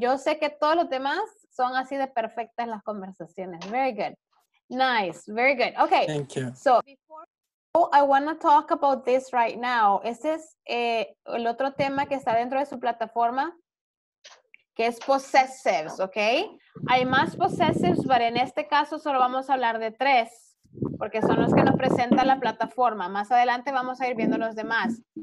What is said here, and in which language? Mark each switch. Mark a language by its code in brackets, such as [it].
[es] Yo sé que todos los demás son así de perfectas las conversaciones. [en] Very good. Nice, very good. Okay, thank you. So before I want to talk about this right now. [es] Este es el otro tema que está dentro de su plataforma, que es possessives, okay? Hay más possessives, pero en este caso solo vamos a hablar de 3, porque son los que nos presenta la plataforma. Más adelante vamos a ir viendo los demás.